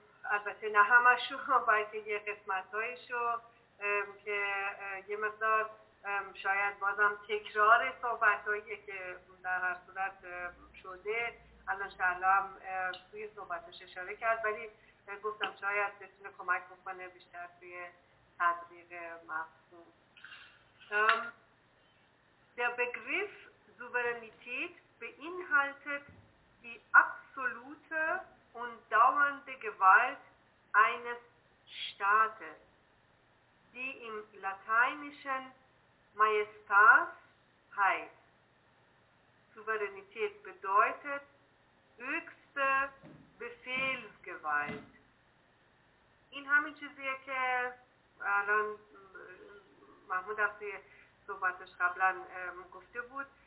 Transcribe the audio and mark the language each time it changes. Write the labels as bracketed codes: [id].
[fa] البته نه همشو، بلکه یه قسمتایشو که یه مقدار شاید بازم تکرار صحبتایی که در هر صورت شده الان شهلا هم توی صحبتش اشاره کرد، ولی گفتم شاید بتونه کمک بکنه بیشتر توی تدقیق مفهوم. [de] Der Begriff Souveränität beinhaltet die absolute und dauernde Gewalt eines Staates, die im Lateinischen Majestas heißt. Souveränität bedeutet höchste Befehlsgewalt. [fa] این همین چیزیه که الان محمود افتی صحبتش قبلا گفته بود.